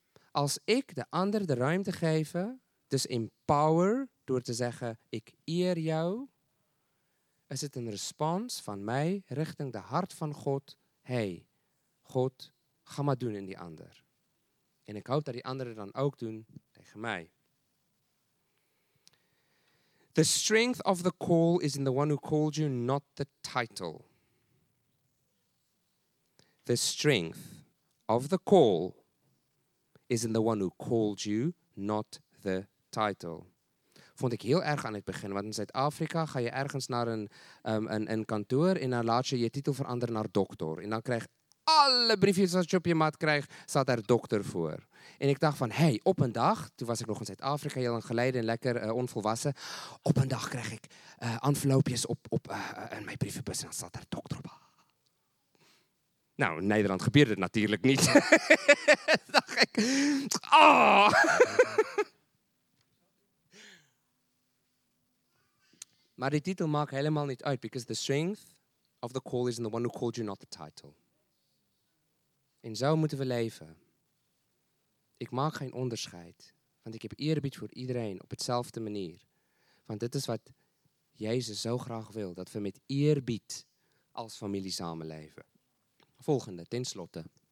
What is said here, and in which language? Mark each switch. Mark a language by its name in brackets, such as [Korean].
[Dutch] Als ik de ander de ruimte geef, dus empower, door te zeggen, ik eer jou, is het een respons van mij richting de hart van God. Hey, God, ga maar doen in die ander. En ik hoop dat die anderen dan ook doen tegen mij. [English] The strength of the call is in the one who called you, not the title. The strength of the call is in the one who called you, not the title. [Dutch] Vond ik heel erg aan het begin, want in Zuid-Afrika ga je ergens naar een kantoor en dan laat je je titel veranderen naar dokter. En dan krijg alle briefjes wat je op je maat krijgt, staat daar dokter voor. En ik dacht van, hey, op een dag, toen was ik nog in Zuid-Afrika, heel lang geleden en lekker onvolwassen, op een dag krijg ik envelopjes in mijn brievenbus en dan staat daar dokter op. Nou, in Nederland gebeurde het natuurlijk niet. Dacht ik. Oh. Maar die titel maakt helemaal niet uit. [English] Because the strength of the call is in the one who called you, not the title. [Dutch] En zo moeten we leven. Ik maak geen onderscheid. Want ik heb eerbied voor iedereen op hetzelfde manier. Want dit is wat Jezus zo graag wil. Dat we met eerbied als familie samenleven. Volgende, tenslotte.